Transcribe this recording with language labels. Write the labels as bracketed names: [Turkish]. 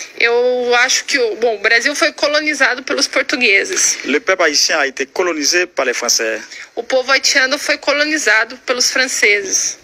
[Portuguese] Eu acho que bom, o Brasil foi colonizado pelos portugueses. [French] Le peuple haïtien a été colonisé par les Français. [Portuguese] O povo haitiano foi colonizado pelos franceses.